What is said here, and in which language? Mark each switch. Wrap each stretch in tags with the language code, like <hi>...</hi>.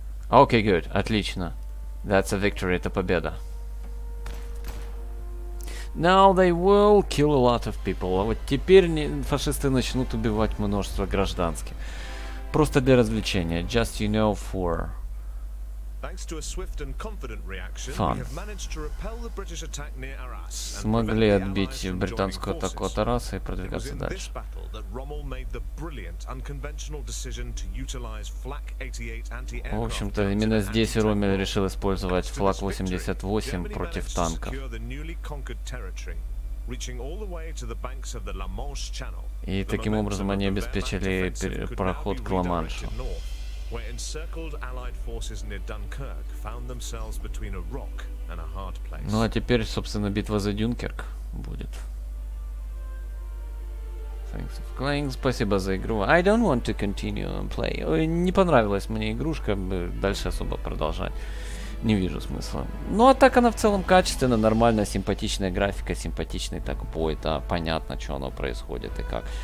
<en>Okay, good.</en> <ru>Отлично.</ru> <en>That's a victory.</en> <ru>Это победа.</ru> <en>Now they will kill a lot of people.</en> <ru>А вот теперь не, фашисты начнут убивать множество гражданских. Просто для развлечения.</ru> <en>Just, you know, for... Thanks to a swift and confident reaction, we have managed to repel the British attack near Arras.</en> <ru>Смогли отбить британскую атаку от Арраса и продвигаться дальше.</ru> <en>It was in this battle that Rommel made the brilliant, unconventional decision to utilize Flak 88 anti-aircraft.</en> <ru>В общем-то, именно здесь Роммель решил использовать Флак 88 против танков.</ru> <en>Germany managed to secure the newly conquered territory, reaching all the way to the banks of the La Manche Channel.</en> <ru>И таким образом они обеспечили проход к Ла-Маншу.</ru> <en>Where encircled allied forces near Dunkirk found themselves between a rock and a hard place.</en> <ru>Ну а теперь, собственно, битва за Дюнкерк будет.</ru> <en>Thanks for playing.</en> <ru>Спасибо за игру.</ru> <en>I don't want to continue and play.</en> <ru>Ой, не понравилась мне игрушка, дальше особо продолжать не вижу смысла. Ну а так она в целом качественная, нормальная, симпатичная графика, симпатичный так бой, да, понятно, что оно происходит и как.</ru>